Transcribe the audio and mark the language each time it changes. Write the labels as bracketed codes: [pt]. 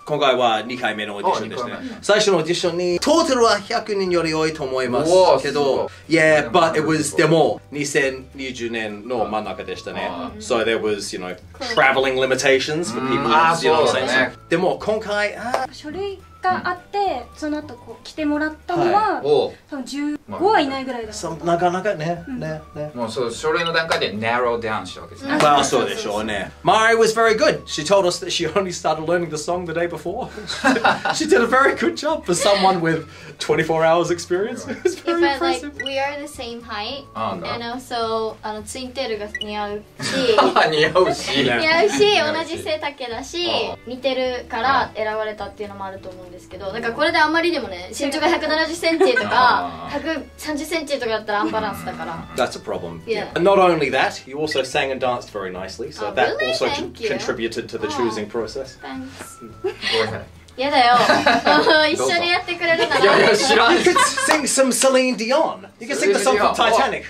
[ja] 今回は2回目のオーディションですね最初のオーディションにトータルは100人より多いと思いますけど [en] Yeah but it was [ja] でも2020年の真ん中でしたね [en] So there was you know traveling limitations for people [ja] でも今回書類があってその後こう来てもらったのは15はいないぐらいだったなかなかねもうそう書類の段階で [en] narrow down [ja] したわけですねまあそうでしょうね [en] Mari was very good She told us that she only started learning the song the day before She did a very good job for someone with 24 hours experience It was very impressive We are the same height And also [ja] ツインテールが似合うし似合うし似合うし同じ背丈だし似てるから選ばれたっていうのもあると思うんですけどなんかこれであんまりでもね身長が170センチとか130センチとかだったらアンバランスだから [en] That's a problem Yeah Not only that, you also sang and danced very nicely So that also contributed to the choosing process Thanks Go ahead [ja] 嫌だよ一緒にやってくれるならいやいや知らん [en] You could sing some Celine Dion You could sing the song from Titanic